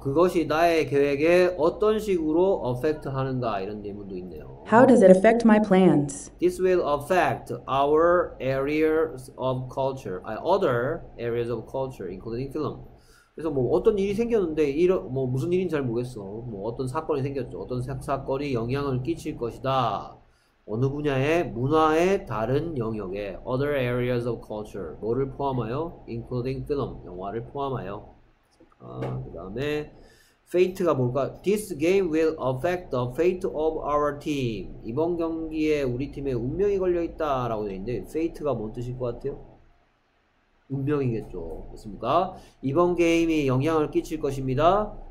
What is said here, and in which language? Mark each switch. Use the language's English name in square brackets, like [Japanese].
[Korean] 그것이 나의 계획에 어떤 식으로 affect 하는가 이런 질문도 있네요. [English] How does it affect my plans? This will affect our areas of culture, other areas of culture, including film. [Korean] 그래서 뭐 어떤 일이 생겼는데 이런 뭐 무슨 일인지 잘 모르겠어. 뭐 어떤 사건이 생겼죠. 어떤 사건이 영향을 끼칠 것이다. 어느 분야의 문화의 다른 영역에 [English] other areas of culture [Korean] 뭐를 포함하여? [English] including film [Korean] 영화를 포함하여. 아, 그다음에 fate가 뭘까? [English] This game will affect the fate of our team. [Korean] 이번 경기에 우리 팀의 운명이 걸려 있다라고 돼 있는데 fate가 뭔 뜻일 것 같아요? 운명이겠죠. 그렇습니까? 이번 게임이 영향을 끼칠 것입니다.